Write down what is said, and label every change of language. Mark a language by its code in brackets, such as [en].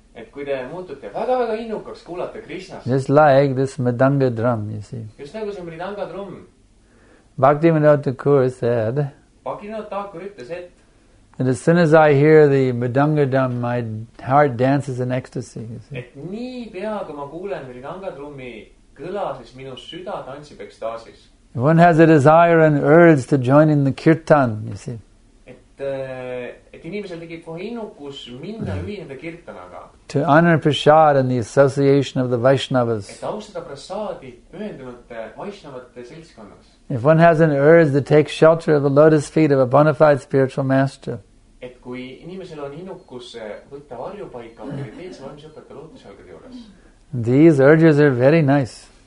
[et] Et kui te muutute väga-väga innukaks kuulata Krishnast. [en] Just like this Mridanga drum, you see. [et] Just nagu see Mridanga drum. [en] Bhaktivinoda Thakur said. [et] Bhaktivinoda Thakur ütles, et [en] And as soon as I hear the Mridanga drum, my heart dances in ecstasy. [et] Et nii pea, kui ma kuulen Mridanga drummi kõla, siis minu süda tantsib ekstaasis. [en] One has a desire and urge to join in the kirtan, you see. [et] Et et inimesel tegi kohe innukus minna ühineda kirtanaga. [en] To honor Prasad and the association of the Vaishnavas. [et] Et austada Prasadi pühendunud Vaishnavate seltskonnas. [en] If one has an urge to take shelter of the lotus feet of a bona fide spiritual master. [et] Et kui inimesel on innukus võtta varjupaika, autoriteetse vaimsõpetaja lootusjalgade juures. [en] These urges are very nice.